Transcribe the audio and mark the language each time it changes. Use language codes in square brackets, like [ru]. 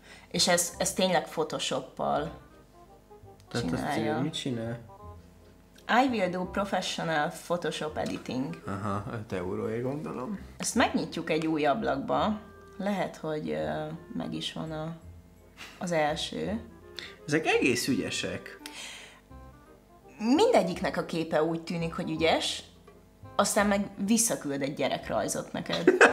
[hu] És ez tényleg Photoshop-pal tehát csinálja. Tehát azt mit csinál? [en] I will do professional Photoshop editing. [hu] Aha, 5 euróért gondolom. Ezt megnyitjuk egy új ablakba. Lehet, hogy meg is van az első. Ezek egész ügyesek. Mindegyiknek a képe úgy tűnik, hogy ügyes, aztán meg visszaküld egy gyerekrajzot neked.